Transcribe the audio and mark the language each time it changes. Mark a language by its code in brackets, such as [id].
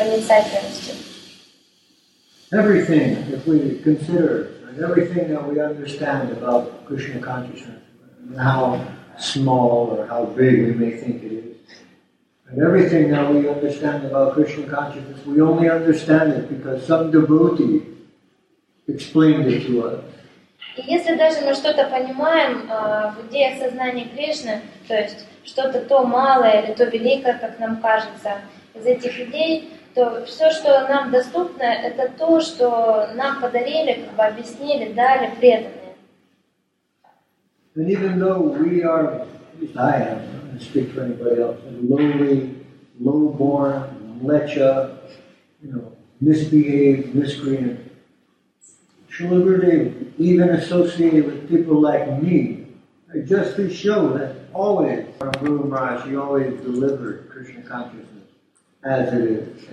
[en] everything, if we consider and everything that we understand about Krishna consciousness, and how small or how big we may think it is, and everything that we understand about Krishna consciousness, we only understand it because some devotee explained it to us. [ru] И если даже мы что-то понимаем в идеях сознания Кришны, то есть что-то то малое или то великое, как нам кажется, из этих идей, то все, что нам доступно, это то, что нам подарили, как бы объяснили, дали преданные. [en] And even though we are, at least I am, I don't speak for anybody else, lowly, low-born, lecha, you know, misbehaved, miscreant, Śrīla Gurudeva, even associated with people like me, just to show that always, Guru Maharaj, he always delivered Krishna consciousness as it is.